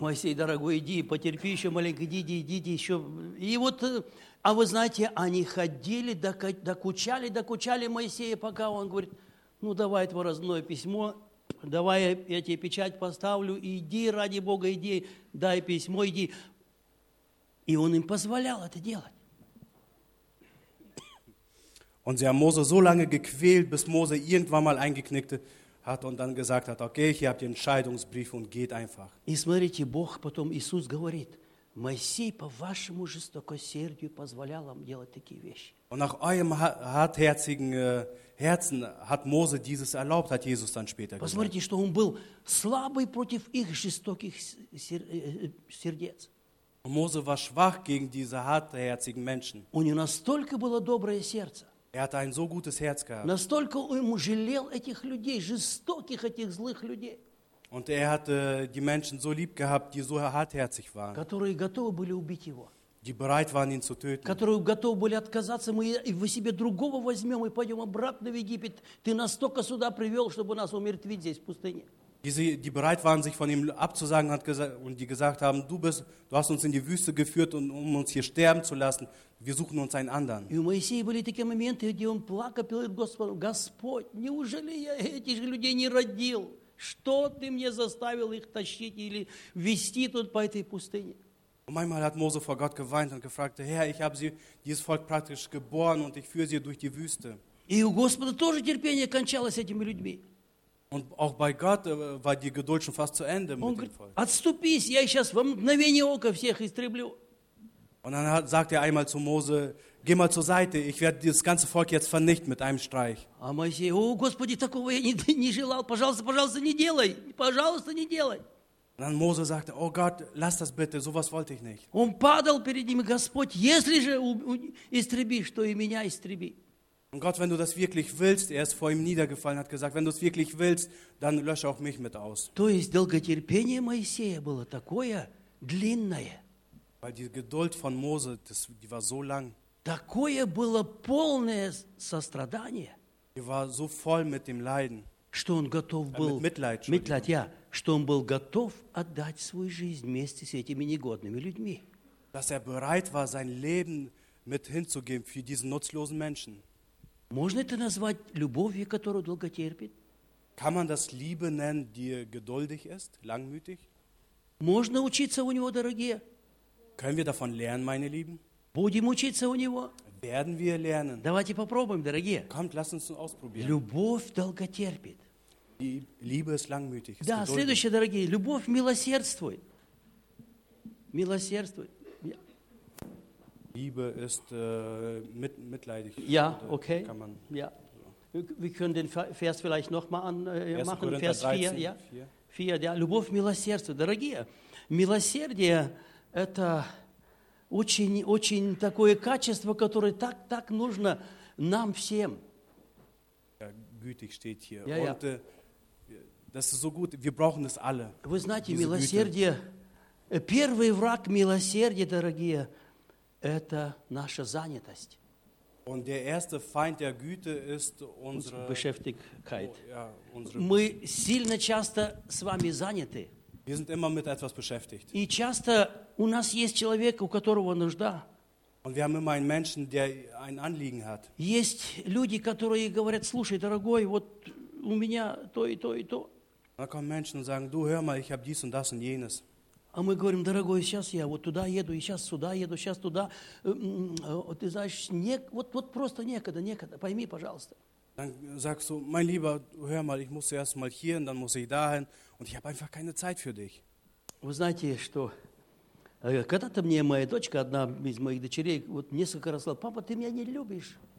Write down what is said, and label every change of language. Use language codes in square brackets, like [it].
[ru] Моисей, дорогой, иди, потерпи еще маленько, иди, иди, иди еще. И вот, а вы знаете, они ходили, докучали, докучали Моисея, пока он говорит, ну давай твое разное письмо, давай я тебе печать поставлю, иди, ради Бога, иди, дай письмо, иди. И он им позволял это делать. [de] Und sie haben Mose so lange gequält, bis Mose irgendwann mal eingeknickt hat und dann gesagt hat, okay, hier habt ihr Entscheidungsbrief und geht einfach. [ru] И смотрите, Бог потом, Иисус говорит, Моисей по вашему жестокосердию позволял вам делать такие вещи. [de] Und nach eurem hartherzigen Herzen hat Mose dieses erlaubt, hat Jesus dann später gesagt. [ru] Посмотрите, что он был слабый против их жестоких сердец. [de] Und Mose war schwach gegen diese hartherzigen Menschen. [ru] У него настолько было доброе сердце. [de] Er hatte ein so gutes Herz gehabt. [ru] Настолько ему жалел этих людей, жестоких этих злых людей. [de] Und er hatte die Menschen so lieb gehabt, die so hartherzig waren. [ru] Которые готовы были убить его. [de] Die bereit waren, ihn zu töten. [ru] Которые готовы были отказаться, мы его себе другого возьмем и пойдем обратно в Египет. Ты настолько сюда привел, чтобы нас умертвить здесь, в пустыне. [de] Die bereit waren, sich von ihm abzusagen und die gesagt haben, du hast uns in die Wüste geführt, um uns hier sterben zu lassen. Wir suchen uns einen anderen. [ru] И у Моисея были такие моменты, где он плакал перед Господом. Господь, неужели я этих людей не родил? Что ты мне заставил их тащить или вести тут по этой пустыне? [de] Und manchmal hat Mose vor Gott geweint und gefragt, Herr, ich habe sie, dieses Volk praktisch geboren und ich führe sie durch die Wüste. [ru] И у Господа тоже терпение кончалось с этими людьми. [de] Und auch bei Gott war die Geduld schon fast zu Ende mit dem Volk. [ru] Отступись, я сейчас во мгновение ока всех истреблю. [de] Und dann sagt er einmal zu Mose, geh mal zur Seite, ich werde das ganze Volk jetzt vernichten mit einem Streich. [ru] А Моисей, о, Господи, такого я не желал, пожалуйста, пожалуйста, не делай, пожалуйста, не делай. [de] Und dann Mose sagte, oh Gott, lass das bitte, sowas wollte ich nicht. [ru] Он падал перед ним, Господь, если же истребишь, то и меня истреби. [de] Und Gott, wenn du das wirklich willst, er ist vor ihm niedergefallen, hat gesagt, wenn du es wirklich willst, dann lösche auch mich mit aus. [ru] То есть долготерпение Моисея было такое длинное. [de] Weil die Geduld von Mose, die war so lang. [ru] Такое было полное сострадание. [de] Die war so voll mit dem Leiden. [ru] Что он готов был, [de] Mitleid, [ru] ja, что он был готов отдать свою жизнь вместе с этими негодными людьми. [de] Dass er bereit war, sein Leben mit hinzugeben für diesen nutzlosen Menschen. [ru] Можно это назвать любовью, которую долго терпит? [de] Kann man das Liebe nennen, die geduldig ist, langmütig? [ru] Можно учиться у него, дорогие. [de] Können wir davon lernen, meine Lieben? [ru] Будем учиться у него. [de] Werden wir lernen. [ru] Давайте попробуем, дорогие. [de] Kommt, lass uns ausprobieren. [ru] Любовь долго терпит. [de] Die Liebe ist langmütig. [ru] Да, [de] geduldig. [ru] Следующее, дорогие. Любовь милосердствует. Милосердствует. [de] Liebe ist mitleidig. Ja, okay. Kann man, ja. Wir können den Vers vielleicht nochmal machen. Vers 4. Ja. 4. Ja. [ru] Любовь милосердствует. Дорогие, милосердие – это очень, очень такое качество, которое так, так нужно нам всем. [de] Ja, gütig steht hier. Ja, ja. Und das ist so gut, wir brauchen es alle. [ru] Вы знаете, милосердие – первый враг милосердия, дорогие, это наша занятость. [de] Und der erste Feind der Güte ist unsere Beschäftigkeit. Oh, ja, unsere [ru] мы сильно часто с вами заняты. [de] Wir sind immer mit etwas beschäftigt. [ru] И часто у нас есть человек, у которого нужда. [de] Und wir haben immer einen Menschen, der ein Anliegen hat. [ru] Есть люди, которые говорят, слушай, дорогой, вот у меня то и то и то. [de] Da kommen Menschen und sagen, du hör mal, ich habe dies und das und jenes. [ru] А мы говорим, дорогой, сейчас я вот туда еду, и сейчас сюда еду, сейчас туда. Ты знаешь, вот просто некогда, некогда, пойми, пожалуйста. [de] Dann sagst du, mein Lieber, hör mal, ich muss erst mal hier, und dann muss ich dahin, und ich habe einfach keine Zeit für dich. [ru] Вы знаете, что когда-то мне моя дочка, одна из моих дочерей, вот несколько раз сказала, папа, ты меня не любишь.